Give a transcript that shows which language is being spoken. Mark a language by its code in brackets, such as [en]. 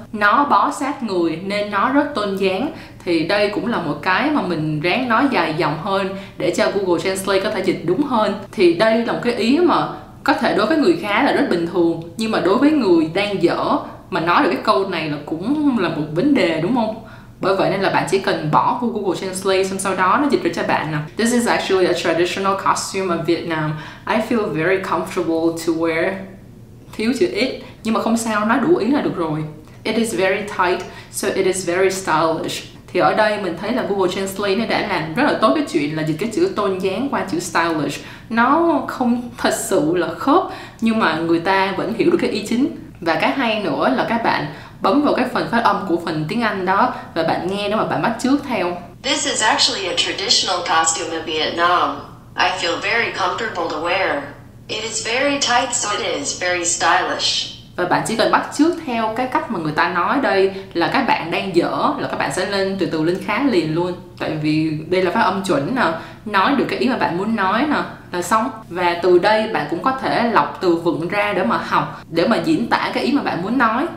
[vi] Nó bó sát người nên nó rất tôn dáng. Thì đây cũng là một cái mà mình ráng nói dài dòng hơn để cho Google Translate có thể dịch đúng hơn. Thì đây là một cái ý mà có thể đối với người khá là rất bình thường, nhưng mà đối với người đang dở mà nói được cái câu này là cũng là một vấn đề, đúng không? Bởi vậy nên là bạn chỉ cần bỏ Google Translate, xong sau đó nó dịch ra cho bạn nè. [en] This is actually a traditional costume of Vietnam. I feel very comfortable to wear. [vi] Thiếu chữ it, nhưng mà không sao, nói đủ ý là được rồi. [en] It is very tight, so it is very stylish. [vi] Thì ở đây mình thấy là Google Translate nó đã làm rất là tốt cái chuyện là dịch cái chữ tôn dáng qua chữ stylish. Nó không thật sự là khớp, nhưng mà người ta vẫn hiểu được cái ý chính. Và cái hay nữa là các bạn bấm vào cái phần phát âm của phần tiếng Anh đó và bạn nghe đó mà bạn bắt chước theo. [en] This is actually a traditional costume of Vietnam. I feel very comfortable to wear. It is very tight, so it is very stylish. [vi] Và bạn chỉ cần bắt chước theo cái cách mà người ta nói đây là các bạn đang dở, là các bạn sẽ lên từ từ lên khá liền luôn. Tại vì đây là phát âm chuẩn nè, nói được cái ý mà bạn muốn nói nè, là xong. Và từ đây bạn cũng có thể lọc từ vựng ra để mà học, để mà diễn tả cái ý mà bạn muốn nói.